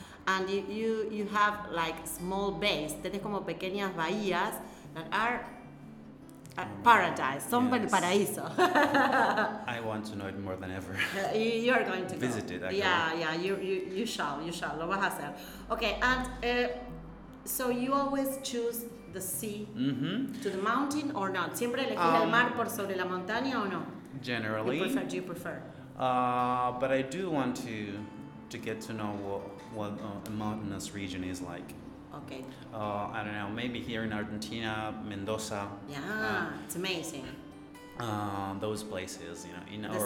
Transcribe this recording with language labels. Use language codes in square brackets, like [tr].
[en] And you have like small bays. [es] Tenés como pequeñas bahías [en] that are paradise. [es] Son del paraíso. [en] I want to know it more than ever. You're going to visit go. It. You shall. [es] Lo vas a hacer. [en] Okay, and so you always choose the sea to the mountain or not? [es] ¿Siempre elegís el mar por sobre la montaña o no? [en] Generally. Do you prefer? But I do want to get to know what a mountainous region is like. Okay. I don't know, maybe here in Argentina, Mendoza. Yeah, it's amazing. Those places, you know, in the